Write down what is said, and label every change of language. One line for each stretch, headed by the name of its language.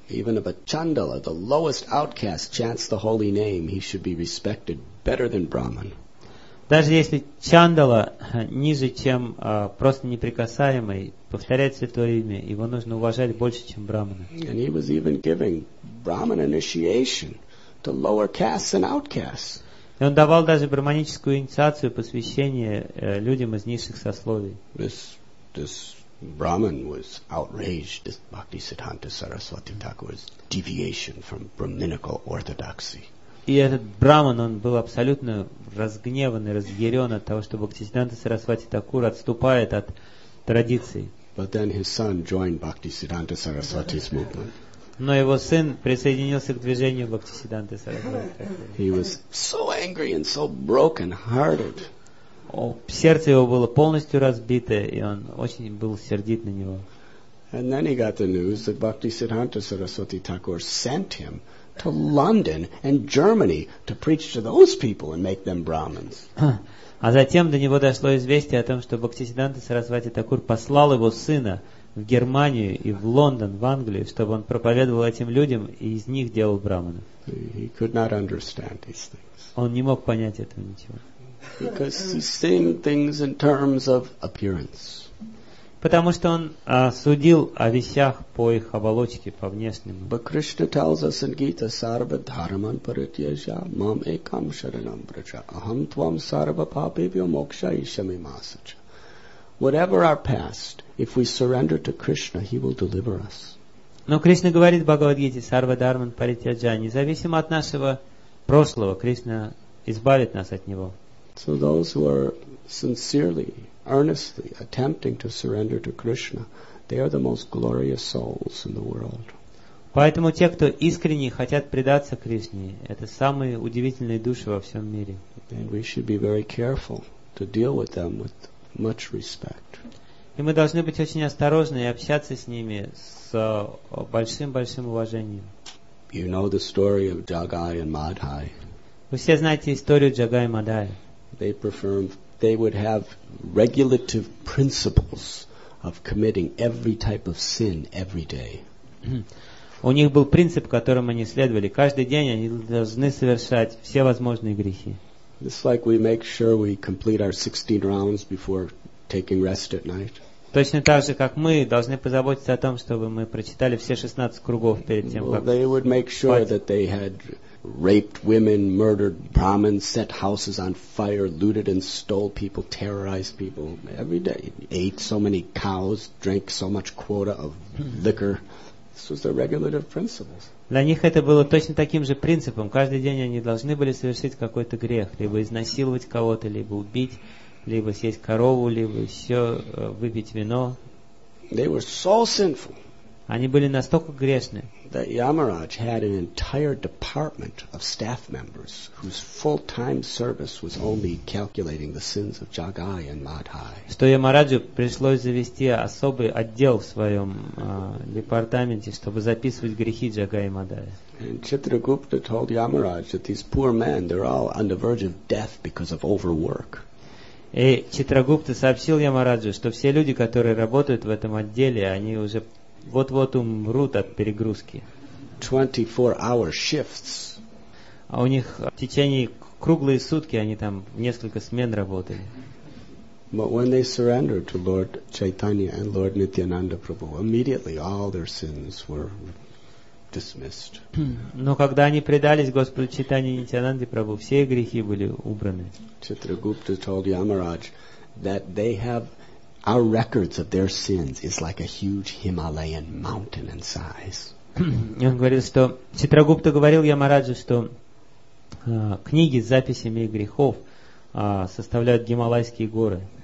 English: Even if a chandala, the lowest outcast, chants the holy name, he should be respected better than brahman.
Russian: Даже если чандала ниже, чем просто неприкасаемый, повторяет святое имя, его нужно уважать больше, чем брахмана.
English: And he was even giving brahman initiation to lower castes and outcasts.
Russian: И он давал даже брахманическую инициацию, посвящение людям из низших сословий.
English: This brahman was outraged. This Bhaktisiddhanta Saraswati Thakur's deviation from brahminical orthodoxy.
Russian: И этот брахман, он был абсолютно разгневан и разъярен от того, что Бхактисиддханта Сарасвати Такур отступает от традиции.
English: But then his son joined Bhaktisiddhanta Saraswati's movement.
Russian: Но его сын присоединился к движению Бхактисиддханты Сарасвати Такур.
English: He was so angry and so broken-hearted.
Russian: Сердце его было полностью разбито, и он очень был сердит на него.
English: And then he got the news that Bhaktisiddhanta Saraswati Thakur sent him to London and Germany to preach to those people and make them Brahmins.
Russian: А затем до него дошло известие о том, что Бхактисиддханта Сарасвати Такур послал его сына в Германию и в Лондон, в Англию, чтобы он проповедовал этим людям и из них делал брахманов.
English: He could not understand these things.
Russian: Он не мог понять этого ничего.
English: Because he's seeing things in terms of appearance.
Russian: Потому что он судил о вещах по их оболочке, по внешнему.
English: But Krishna tells us in Gita,
Sanskrit: sarva dharman parityaja mam ekam sharanam braja aham tvam sarva papevyo moksha ishami masacha.
English: Whatever our past, if we surrender to Krishna, he will deliver us.
Russian: Но Кришна говорит в Бхагавад-гите,
Sanskrit: sarva dharman parityaja,
Russian: независимо от нашего прошлого, Кришна избавит нас от него.
English: So those who are sincerely, earnestly attempting to surrender to Krishna, they are the most glorious souls in the world.
Russian: Поэтому те, кто искренне хотят предаться Кришне, это самые удивительные души во всем мире.
English: And we should be very careful to deal with them with much respect.
Russian: И мы должны быть очень осторожны и общаться с ними с большим-большим уважением.
English: You know the story of Jagai and Madhai.
Russian: Вы все знаете историю Джагая и Мадхая.
English: They would have regulative principles of committing every type of sin every day.
Russian: У них был принцип, которым они следовали. Каждый день они должны совершать все возможные грехи.
English: It's like we make sure we complete our 16 rounds before taking rest at night.
Russian: Точно так же, как мы должны позаботиться о том, чтобы мы прочитали все 16 кругов перед тем, как спать.
English: They would make sure that they had raped women, murdered brahmins, set houses on fire, looted and stole people, terrorized people every day, ate so many cows, drank so much quota of liquor. This was their regulative principles.
Russian: Для них это было точно таким же принципом. Каждый день они должны были совершить какой-то грех, либо изнасиловать кого-то, либо убить, либо съесть корову, либо еще выпить вино.
English: They were so sinful.
Russian: Они были настолько грешны.
English: That Yamaraj had an entire department of staff members whose full-time service was only calculating the sins of Jagai and Madhai.
Russian: Что Ямараджу пришлось завести особый отдел в своем департаменте, чтобы записывать грехи Джагая и Мадхая.
English: And Chitragupta told Yamaraj that these poor men, they're all on the verge of death because of overwork.
Russian: И Читрагупта сообщил Ямараджу, что все люди, которые работают в этом отделе, они уже вот-вот умрут от перегрузки.
English: 24-hour shifts.
Russian: А у них в течение круглые сутки они там в несколько смен работали.
English: But when they surrendered to Lord Chaitanya and Lord Nityananda Prabhu, immediately all their sins were dismissed.
Russian: Но когда они предались Господу Чайтанье и Нитьянанде Прабху, все грехи были убраны.
English: Chitragupta told Yamaraj that they have our records of their sins is like a huge Himalayan mountain in size.
Russian: И он говорил, что Читрагупта говорил Ямараджу, что книги с записями грехов составляют Гималайские горы.